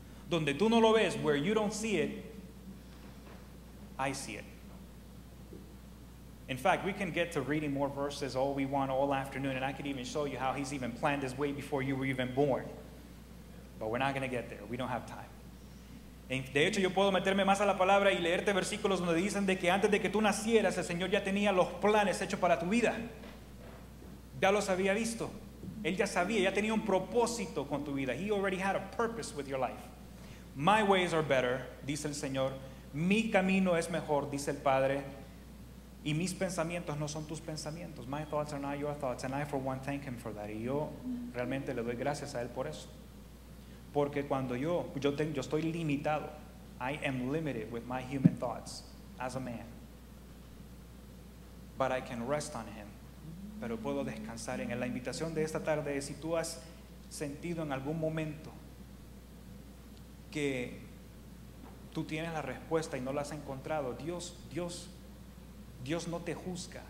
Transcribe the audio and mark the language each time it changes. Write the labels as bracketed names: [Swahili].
[Spanish] Donde tú no lo ves, [English] where you don't see it, I see it. In fact, we can get to reading more verses all we want all afternoon, and I could even show you how he's even planned his way before you were even born. But we're not going to get there. We don't have time. [Spanish] De hecho, yo puedo meterme más a la palabra y leerte versículos donde dicen de que antes de que tú nacieras, el Señor ya tenía los planes hechos para tu vida. Ya los había visto. Él ya sabía, ya tenía un propósito con tu vida. [English] He already had a purpose with your life. My ways are better, [Spanish] dice el Señor. Mi camino es mejor, dice el Padre. Y mis pensamientos no son tus pensamientos. [English] My thoughts are not your thoughts. And I, for one, thank him for that. [Spanish] Y yo realmente le doy gracias a él por eso. Porque cuando yo estoy limitado. [English] I am limited with my human thoughts as a man. But I can rest on him. [Spanish] Pero puedo descansar en él. La invitación de esta tarde es, si tú has sentido en algún momento que tú tienes la respuesta y no la has encontrado, Dios no te juzga.